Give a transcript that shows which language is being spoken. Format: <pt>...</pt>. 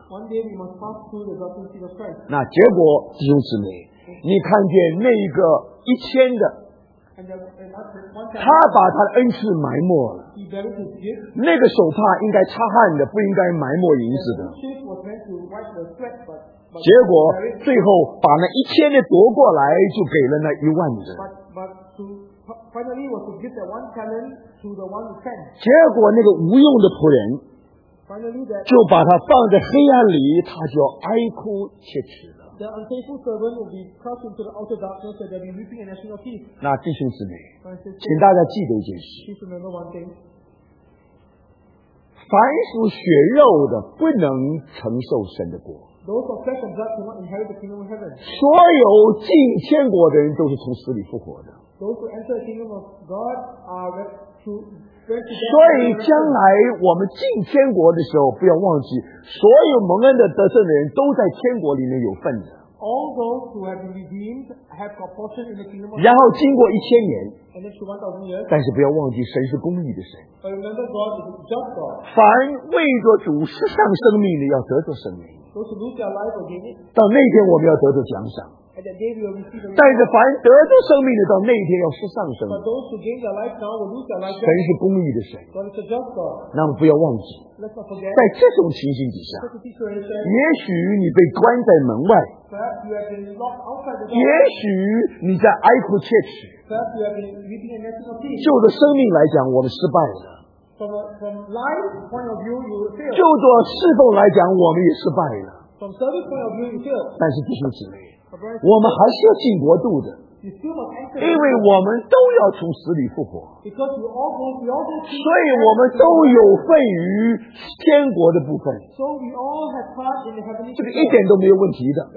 <zh>那结果弟兄姊妹，你看见那一个一千的，他把他的恩赐埋没了，那个手帕应该擦汗的，不应该埋没银子的，结果最后把那一千的夺过来就给了那一万的。</zh> <en>finally was to give the one talent to the one sent.</en> <zh>结果那个无用的仆人就把他放在黑暗里，他就要哀哭切齿了。</zh> <en>The unfaithful servant will be cast into the outer darkness, and they'll be weeping and gnashing of teeth.</en> <zh>那弟兄姊妹，请大家记得一件事。</zh> <en>Please remember one thing.</en> <zh>凡属血肉的不能承受神的国。</zh> <en>Those of flesh and blood cannot inherit the kingdom of heaven.</en> <zh>所有进天国的人都是从死里复活的。</zh> <en>Those who enter the kingdom of God are to.</en> <zh>所以将来我们进天国的时候，不要忘记，所有蒙恩的得胜的人都在天国里面有份的。</zh> <en>All those who have been redeemed have got portion in the kingdom of God.</en> <zh>然后经过一千年</zh> <en>，and then 1,000 years.</en> <zh>但是不要忘记，神是公义的神。</zh> <en>But remember, God is just God.</en> <zh>凡为着主失丧生命的，要得着生命。</zh> <en>Those who lose their life will gain it.</en> <zh>到那天，我们要得着奖赏。</zh> <en>And that day we will receive the.</en> <zh>但是凡得着生命的，到那一天要失丧生命。</zh> <en>But those who gain their life now will lose their life.</en> <zh>神是公义的神。</zh> <en>God is a just God.</en> <zh>那么不要忘记。</zh> <en>Let's not forget.</en> <zh>在这种情形底下，也许你被关在门外。</zh> <en>Perhaps you have been locked outside the door.</en> <zh>也许你在哀哭切齿。</zh> <en>Perhaps you have been weeping and gnashing of teeth.</en> <zh>就着生命来讲，我们失败了。</zh> <en>From life point of view, you will fail.</en> <zh>就着侍奉来讲，我们也失败了。</zh> <en>From service point of view, you fail.</en> <zh>但是弟兄姊妹。我们还是要进国度的，因为我们都要从死里复活，所以我们都有份于天国的部分，这个一点都没有问题的。</zh>